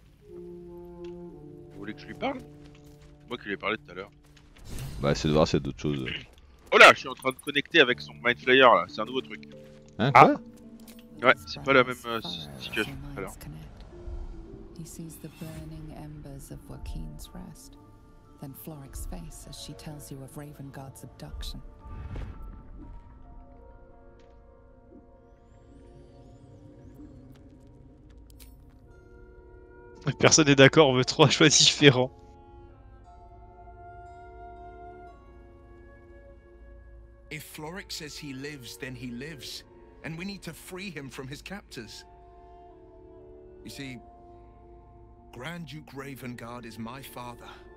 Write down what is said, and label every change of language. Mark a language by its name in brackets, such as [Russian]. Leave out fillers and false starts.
[French] Vous voulez que je lui parle? Moi qui lui ai parlé tout à l'heure. Bah, essaye de voir s'il y a d'autres choses. Oh là, je suis en train de connecter avec son Mind Flayer là, c'est un nouveau truc. Hein, quoi? Ah. Ouais, c'est pas la même situation tout à l'heure. [English] Il sees the burning embers of Joaquin's rest, then Floric's face as she tells you of Raven God's abduction. [French] Personne n'est d'accord, on veut trois choix différents. [English] If Floric says he lives, then he lives. And we need to free him from his captors. You see, Grand Duke Ravengard is my father.